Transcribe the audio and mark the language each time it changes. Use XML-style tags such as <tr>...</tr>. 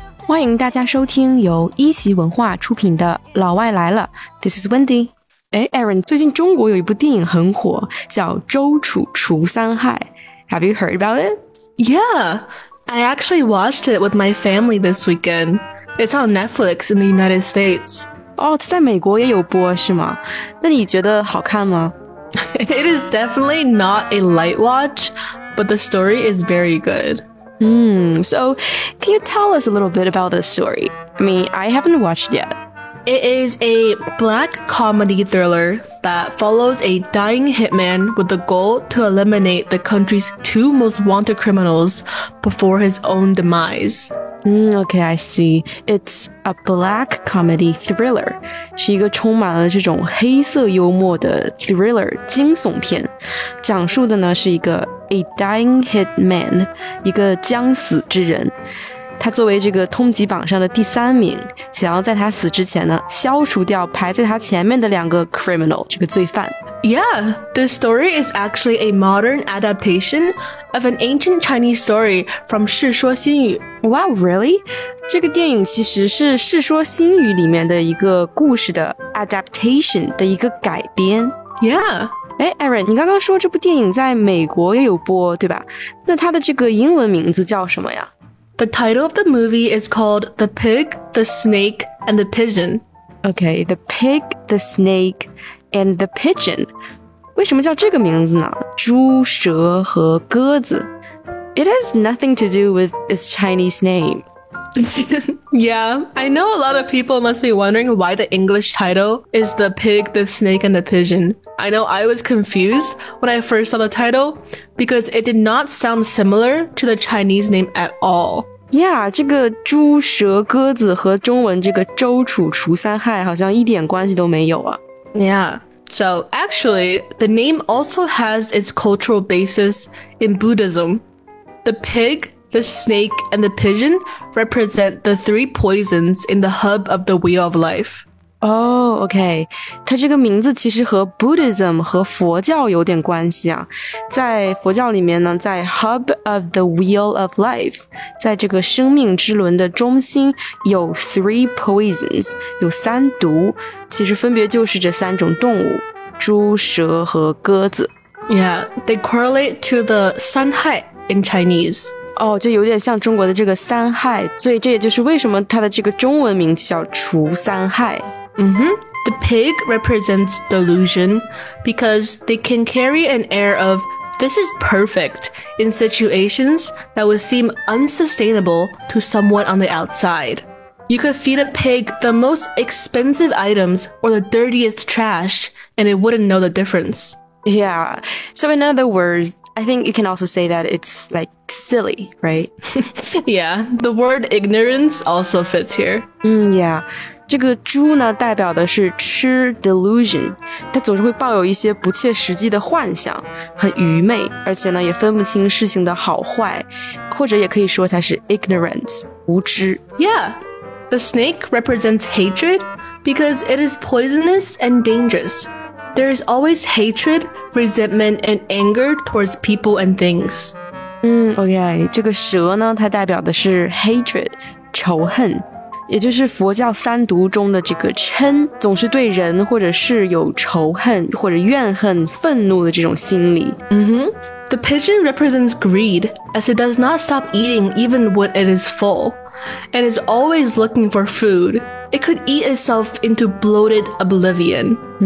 <zh>欢迎大家收听由一席文化出品的《老外来了》。</zh> <en>This is Wendy.</en> <zh>Erin, 最近中国有一部电影很火，叫《周楚除三害》。</zh> <en>Have you heard about it? Yeah, I actually watched it with my family this weekend. It's on Netflix in the United States.</en> <zh>哦，它在美国也有播是吗？那你觉得好看吗？</zh> <en>It is definitely not a light watch, but the story is very good. So can you tell us a little bit about this story? I mean, I haven't watched yet. It is a black comedy thriller that follows a dying hitman with the goal to eliminate the country's two most wanted criminals before his own demise. Okay, I see. It's a black comedy thriller.</en> <zh>是一个充满了这种黑色幽默的 thriller 惊悚片。讲述的呢是一个</zh> <en>a dying hitman,</en> <zh>一个将死之人。他作为这个通缉榜上的第三名，想要在他死之前呢消除掉排在他前面的两个 criminal, 这个罪犯。</zh> <en>Yeah, the story is actually a modern adaptation of an ancient Chinese story from 世说新语。 Wow, really?</en> <zh>这个电影其实是世说新语里面的一个故事的 adaptation 的一个改编。</zh> <en>Yeah.</en> <zh>诶 Erin, 你刚刚说这部电影在美国也有播，对吧？那它的这个英文名字叫什么呀？</zh> <en>The title of the movie is called The Pig, The Snake, and The Pigeon. Okay, The Pig, The Snake, and The Pigeon.</en> <zh>为什么叫这个名字呢？猪、蛇和鸽子。</zh> <en>It has nothing to do with its Chinese name. Yeah, I know a lot of people must be wondering why the English title is The Pig, The Snake, and The Pigeon. I know I was confused when I first saw the title because it did not sound similar to the Chinese name at all.</en> <zh>Yeah, 这个猪蛇鸽子和中文这个周楚除三害好像一点关系都没有啊。</zh> <en>Yeah. So, actually, the name also has its cultural basis in Buddhism. The pig, the snake, and the pigeon represent the three poisons in the hub of the wheel of life. Oh, okay.</en> <zh>它这个名字其实和 Buddhism 和佛教有点关系啊。在佛教里面呢，在</zh> <en>hub of the wheel of life,</en> <zh>在这个生命之轮的中心有</zh> <en>three poisons,</en> <zh>有三毒。其实分别就是这三种动物，猪、蛇和鸽子。</zh> <en>Yeah, they correlate to the 三害 in Chinese.</en> <zh>哦，就有点像中国的这个三害，所以这也就是为什么它的这个中文名叫除三害。 Mm-hmm.</zh> <en>The pig represents delusion because they can carry an air of this is perfect in situations that would seem unsustainable to someone on the outside. You could feed a pig the most expensive items or the dirtiest trash and it wouldn't know the difference. Yeah, so in other words, I think you can also say that it's like silly, right? Yeah, the word ignorance also fits here. Yeah.</en> <zh>这个猪呢代表的是吃 delusion, 它总是会抱有一些不切实际的幻想，很愚昧，而且呢也分不清事情的好坏，或者也可以说它是 ignorance, 无知。</zh> <en>Yeah, the snake represents hatred because it is poisonous and dangerous. There is always hatred, resentment, and anger towards people and things.</en> <zh>Okay, 这个蛇呢它代表的是 hatred, 仇恨。也就是佛教三毒中的这个嗔，总是对人或者是有仇恨或者怨恨愤怒的这种心理。 Mm-hmm.</zh> <en>The pigeon represents greed, as it does not stop eating even when it is full, and is always looking for food. It could eat itself into bloated oblivion.</en>